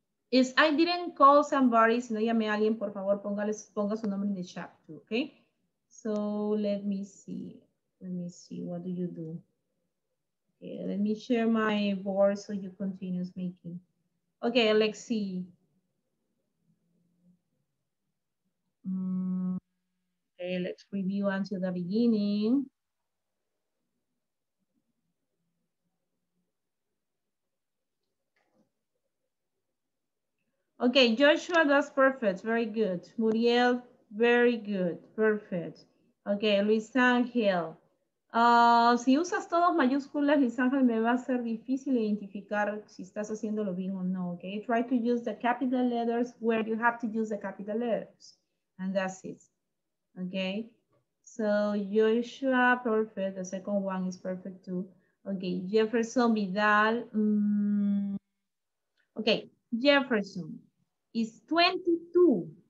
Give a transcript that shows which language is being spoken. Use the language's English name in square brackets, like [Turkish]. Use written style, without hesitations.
[English] Is I didn't call somebody, [Spanish] si no llamé a alguien, por favor, ponga su nombre en el chat, [English] too, okay? So, let me see, what do you do? Okay, let me share my board so you continue speaking. Okay, let's see. Okay, let's review until the beginning. Okay, Joshua, that's perfect. Very good. Muriel, very good. Perfect. Okay, Luis Ángel. [Spanish] Si usas todas mayúsculas, Luis Ángel, me va a ser difícil identificar si estás haciéndolo bien o no. [English] Okay, try to use the capital letters where you have to use the capital letters. And that's it. Okay, so Joshua, perfect. The second one is perfect too. Okay, Jefferson Vidal. Okay, Jefferson. Is 22.